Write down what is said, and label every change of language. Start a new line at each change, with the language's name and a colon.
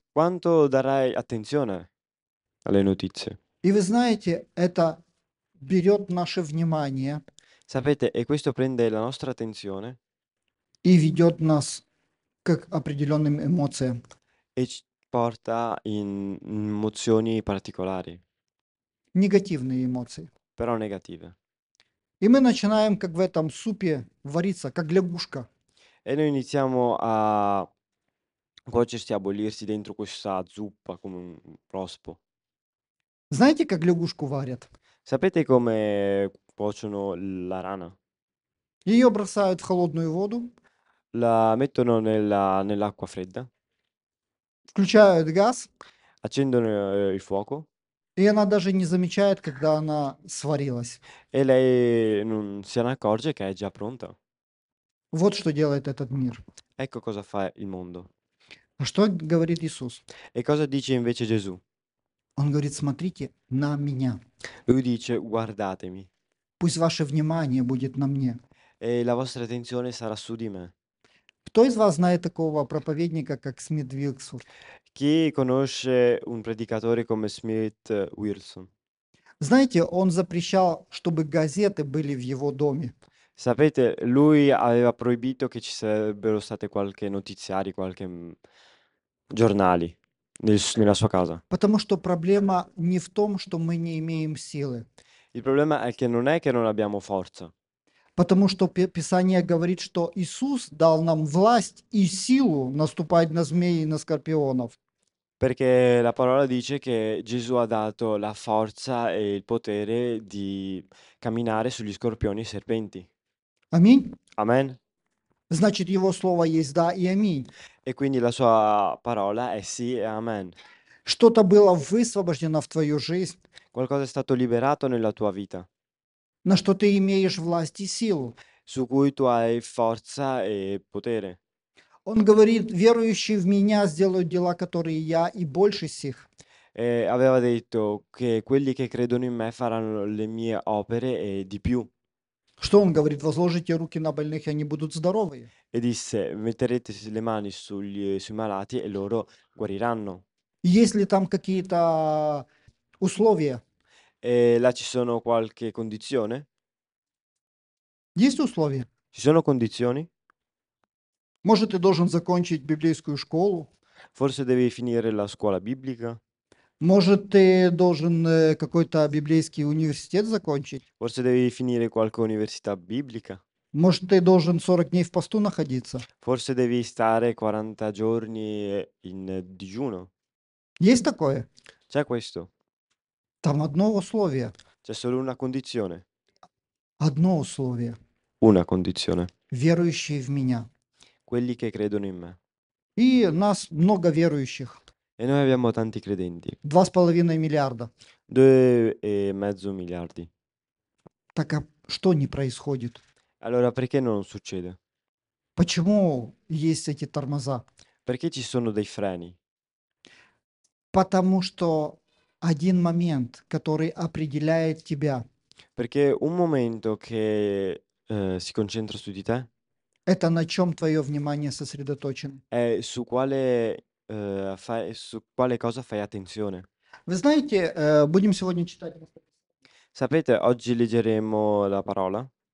Italian: Quanto darai attenzione alle notizie?
Russian: И вы знаете, это берет наше внимание.
Italian: Sapete, e questo prende la nostra attenzione.
Russian: И ведет нас к определенным эмоциям.
Italian: E ci porta in emozioni particolari.
Russian: Негативные эмоции.
Italian: Però negative.
Russian: И мы начинаем, как в этом супе, вариться, как лягушка.
Italian: E noi iniziamo a cuocersi, a bollirsi dentro questa zuppa, come un rospo.
Russian: Знаете, как лягушку варят?
Italian: Sapete come cuociono la rana?
Russian: Ее бросают в холодную воду.
Italian: La mettono nell'acqua fredda.
Russian: Включают газ.
Italian: Accendono il fuoco.
Russian: И она даже не замечает, когда она сварилась.
Italian: E lei non si accorge che è già pronta.
Russian: Вот что делает этот мир.
Italian: Ecco cosa fa il mondo.
Russian: А что говорит Иисус?
Italian: E cosa dice invece Gesù?
Russian: Он говорит, смотрите на меня.
Italian: Lui dice, guardatemi.
Russian: Пусть ваше внимание будет на мне.
Italian: E la vostra attenzione sarà su di me.
Russian: Кто из вас знает такого проповедника, как Смит Вигсворт?
Italian: Chi conosce un predicatore come Smith Wilson?
Russian: Знаете, он запрещал, чтобы газеты были в его доме.
Italian: Sapete, lui aveva proibito che ci sarebbero state qualche notiziari, qualche giornali nella sua casa.
Russian: Потому что проблема не в том, что мы не имеем силы.
Italian: Il problema è che non è che non abbiamo forza.
Russian: Потому что Писание говорит, что Иисус дал нам власть и силу наступать на змеи и на скорпионов.
Italian: Perché la parola dice che Gesù ha dato la forza e il potere di camminare sugli scorpioni e serpenti.
Russian: Аминь.
Italian: Amen.
Russian: Значит, его слово есть да и аминь.
Italian: E quindi la sua parola è sì e amen.
Russian: Что-то было высвобождено в твою жизнь.
Italian: Qualcosa è stato liberato nella tua vita.
Russian: На что ты имеешь власть и силу.
Italian: Su cui tu hai forza e potere.
Russian: Он говорит, верующие в меня сделают дела, которые я и больше сих.
Italian: E aveva detto che quelli che credono in me faranno le mie opere e di più.
Russian: Что он говорит, возложите руки на больных, и они будут здоровы.
Italian: e disse: metterete le mani sui malati e loro guariranno.
Russian: Есть ли там какие-то условия?
Italian: E là ci sono qualche condizione?
Russian: Есть условия?
Italian: Ci sono condizioni?
Russian: Может, ты должен закончить библейскую школу?
Italian: Forse devi finire la scuola biblica?
Russian: Может, ты должен какой-то библейский университет закончить?
Italian: Forse devi finire qualche università biblica?
Russian: Может, ты должен 40 дней в посту находиться?
Italian: Forse devi stare 40 giorni in digiuno?
Russian: Есть такое?
Italian: C'è questo?
Russian: Там одно условие.
Italian: C'è solo una condizione?
Russian: Одно условие.
Italian: Una condizione.
Russian: Верующие в меня.
Italian: Quelli che credono in me.
Russian: И нас много верующих.
Italian: E noi abbiamo tanti credenti.
Russian: 2,5 miliarda.
Italian: 2,5 miliardi.
Russian: Так а что не происходит?
Italian: Allora, perché non succede?
Russian: Почему есть эти тормоза?
Italian: Perché ci sono dei freni?
Russian: Потому что один момент, который определяет тебя,
Italian: Perché un momento che si concentra su di te
Russian: это на чем твое внимание сосредоточено.
Italian: è su quale cosa fai attenzione.
Russian: Вы знаете, будем сегодня читать.
Italian: Sapete, oggi leggeremo la parola.